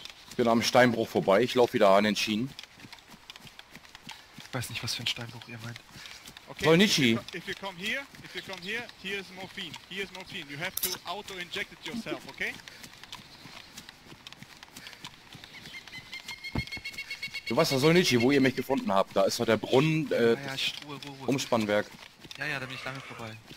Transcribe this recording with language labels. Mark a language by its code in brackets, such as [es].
[de] Ich bin am Steinbruch vorbei, ich laufe wieder an den Schienen. Ich weiß nicht, was für ein Steinbruch ihr meint. Okay, Solnitschi. [en] If you come here, here is morphine. You have to auto-inject it yourself, okay? [de] Du weißt doch, Solnitschi, wo ihr mich gefunden habt. Da ist doch der Brunnen, Umspannwerk. Ja, da bin ich lange vorbei.